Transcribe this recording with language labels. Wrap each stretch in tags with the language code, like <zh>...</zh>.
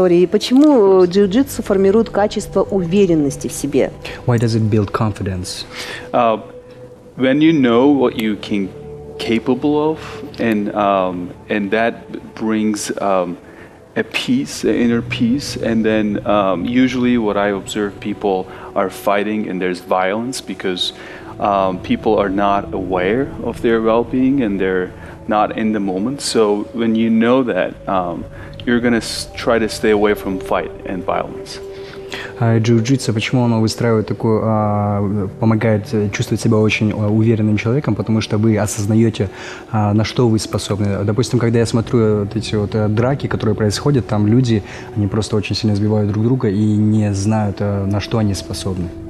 <ru>Почему джиу-джитсу формирует качество уверенности в себе?</ru> <en>Why does it build confidence? When you know what you can capable of, and that brings a peace, an inner peace, and then usually what I observe, people are fighting and there's violence because people are not aware of their well-being and they're not in the moment. So when you know that, you're gonna try to stay away from fight and violence.</en> <ru>Джиу-джитсу, почему оно выстраивает такую, помогает чувствовать себя очень уверенным человеком, потому что вы осознаете, на что вы способны. Допустим, когда я смотрю вот эти вот драки, которые происходят, там люди, они просто очень сильно сбивают друг друга и не знают, на что они способны.</ru>